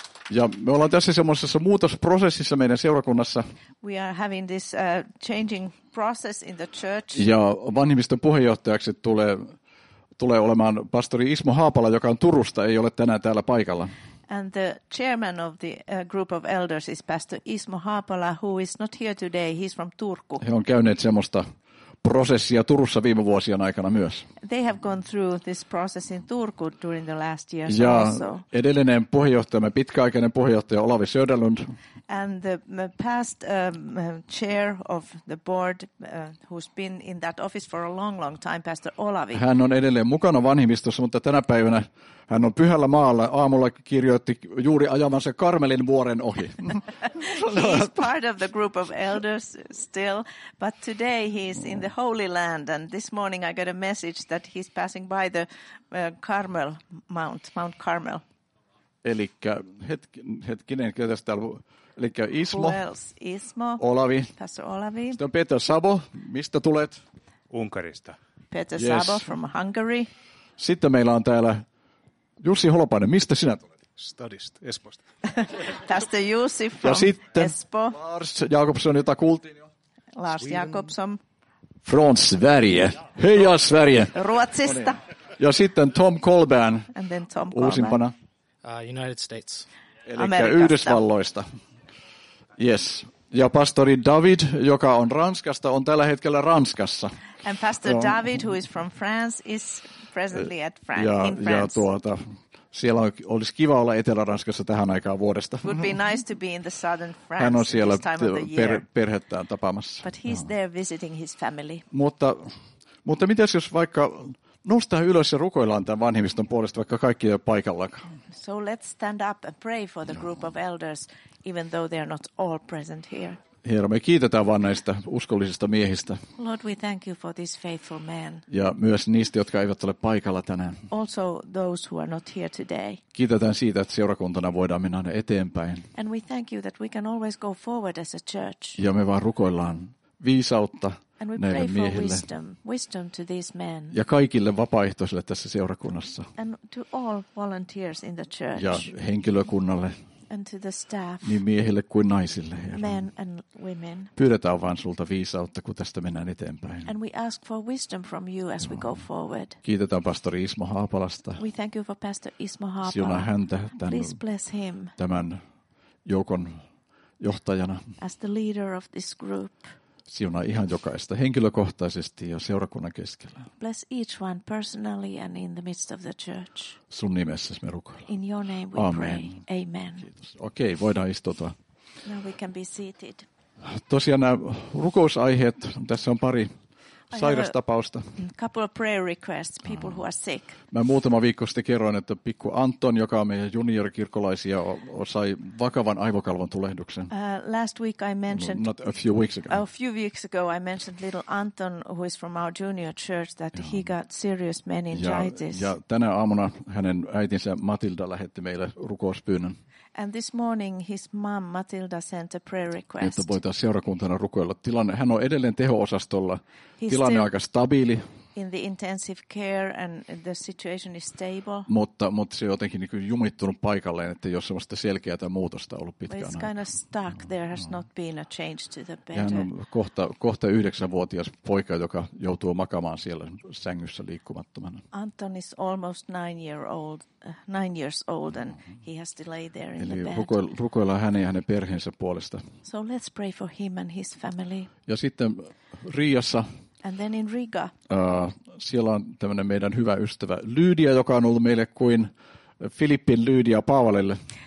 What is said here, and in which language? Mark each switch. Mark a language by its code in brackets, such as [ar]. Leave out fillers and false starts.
[fi] Ja me ollaan tässä semmoisessa muutosprosessissa meidän seurakunnassa. [en] We are having this changing process in the church. [fi] Ja vanhimmiston puheenjohtajaksi tulee olemaan pastori Ismo Haapala, joka on Turusta, ei ole tänään täällä paikalla. [en] And the chairman of the group of elders is pastor Ismo Haapala, who is not here today. He's from Turku. [fi] He on käyneet semmoista prosessia Turussa viime vuosien aikana myös. [en] They have gone through this process in Turku during the last years [fi] ja [en] also. [fi] Ja edellinen puheenjohtajamme, pitkäaikainen puheenjohtaja Olavi Söderlund. [en] And the past chair of the board who's been in that office for a long, long time, pastor Olavi. [fi] Hän on edelleen mukana vanhimmistossa, mutta tänä päivänä hän on pyhällä maalla. Aamulla kirjoitti juuri ajavansa Karmelin vuoren ohi. [en] He's part of the group of elders still, but today he's in the Holy Land. And this morning I got a message that he's passing by the Carmel Mount, Mount Carmel. [fi] Elikkä hetkinen, ketäs täällä on? Elikkä Ismo. [en] Who else? Ismo. [fi] Olavi. [en] Pastor Olavi. [fi] Sitten on Peter Sabo. Mistä tulet? Unkarista. [en] Peter Sabo from Hungary. [fi] Sitten meillä on täällä Jussi Holopainen, mistä sinä tulet? Stadista, Espoosta. [en] Pastor Jussi from Espoo. [fi] Ja sitten Espoo. Lars Jakobsson, jota kuultiin jo. [en] Lars Sweden. Jakobsson. From Sverige. [fi] Hei ja [en] Sverige. [fi] Ruotsista. Ja sitten Tom Colburn. [en] And then Tom Colburn. [fi] Uusimpana. [en] United States. [fi] Elikkä Yhdysvalloista. Yes. Ja pastori David, joka on Ranskasta, on tällä hetkellä Ranskassa. [en] And pastor David, who is from France, is presently at France. [fi] Ja siellä olisi kiva olla Etelä-Ranskassa tähän aikaan vuodesta. [en] Would be nice to be in the southern France. [fi] Hän on siellä perhettään tapaamassa. [en] But he's there visiting his family. [fi] Mutta mitäs jos vaikka nostaa ylös ja rukoillaan tämän vanhimmiston puolesta, vaikka kaikki ei ole paikallakaan. [en] So let's stand up and pray for the group of elders, even though they are not all present here. [fi] Herra, me kiitetään vaan näistä uskollisista miehistä. [en] Lord, we thank you for these faithful men. [fi] Ja myös niistä, jotka eivät ole paikalla tänään. [en] Also those who are not here today. [fi] Kiitetään siitä, että seurakuntana voidaan mennä eteenpäin. [en] And we thank you that we can always go forward as a church. [fi] Ja me vaan rukoillaan viisautta näille miehille. [en] And we pray for wisdom to these men. [fi] Ja kaikille vapaaehtoisille tässä seurakunnassa. [en] And to all volunteers in the church. [fi] Ja henkilökunnalle. [en] And to the staff, [fi] niin miehille kuin naisille. [en] Men and women. [fi] Pyydetään vaan sulta viisautta, kun tästä mennään eteenpäin. [en] And we ask for wisdom from you as we go forward. [fi] Kiitetään pastori Ismo Haapalasta. [en] We thank you for pastor Ismo Haapala. [fi] Siunaa häntä [en] please bless him. [fi] Tämän joukon johtajana. [en] As the leader of this group. [fi] Siunaa ihan jokaista henkilökohtaisesti ja seurakunnan keskellä. [en] Bless each one personally and in the midst of the church. [fi] Sun nimessäsi me rukoillaan. [en] In your name we Amen. Pray. Amen. [fi] Kiitos. Okei, voidaan istua. [en] Now we can be seated. [fi] Tosiaan nämä rukousaiheet, tässä on pari sairastapausta. [en] Couple of prayer requests, people who are sick. [fi] Mä muutama viikko sitten kerroin, että pikku Anton, joka on meidän juniorikirkolaisia, sai vakavan aivokalvon tulehduksen. [en] Last week I mentioned a few weeks ago I mentioned little Anton, who is from our junior church, that he got serious meningitis. [fi] Ja tänä aamuna hänen äitinsä Matilda lähetti meille rukouspyynnön. [en] And this morning his mom Matilda sent a prayer request. [fi] Että voitaisiin seurakuntana rukoilla. Tilanne, hän on edelleen teho-osastolla. Tilanne on aika stabiili. [en] In the intensive care and the situation is stable. [fi] Mutta se on jotenkin niin kuin jumittunut paikalleen, että jos semmoista selkeää muutosta ollut pitkään. [en] But it's kind of stuck. There has not been a change to the better. [fi] Hän on kohta 9-vuotias poika, joka joutuu makaamaan siellä sängyssä liikkumattomana. [en] Anton is almost 9 years old and he has to lay there in [fi] Eli [en] the bed. [fi] Rukoillaan hänen ja hänen perheensä puolesta. [en] So let's pray for him and his family. [fi] Ja sitten Riassa. [en] And then in Riga. [fi] Siellä on tämmöinen meidän hyvä ystävä Lydia, joka on ollut meille kuin Filippin Lydia Paavalille.